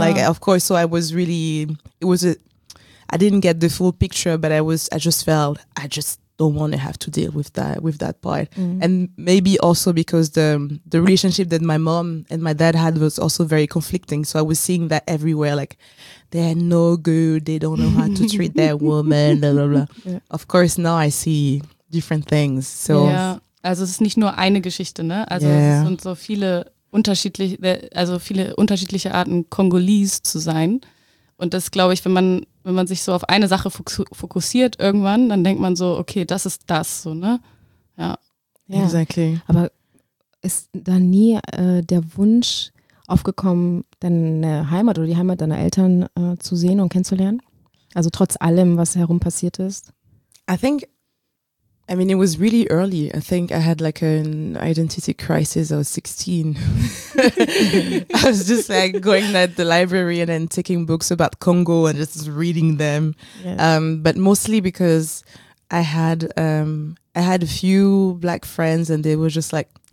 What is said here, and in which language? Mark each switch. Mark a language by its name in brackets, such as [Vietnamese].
[English] Like, of course, so I was really, it was a, I didn't get the full picture, but I just don't want to have to deal with that part. And maybe also because the relationship that my mom and my dad had was also very conflicting, so I was seeing that everywhere, like, they're no good, they don't know how to treat their woman, blah, blah, blah. Yeah. Of course now I see different things. So yeah. [German] Also es ist nicht nur eine Geschichte, ne? Also es sind so viele unterschiedliche Arten, Kongolese zu sein. Und das, glaube ich, wenn man sich so auf eine Sache fokussiert irgendwann, dann denkt man so, okay, das ist das, so, ne? Ja. [English] Yeah. Exactly. [German] Aber ist da nie der Wunsch aufgekommen, deine Heimat oder die Heimat deiner Eltern zu sehen und kennenzulernen? Also trotz allem, was herum passiert ist? [English] I mean, it was really early. I think I had like an identity crisis. I was 16. I was just like going at the library and then taking books about Congo and just reading them. Yes. But mostly because I had a few black friends, and they were just like,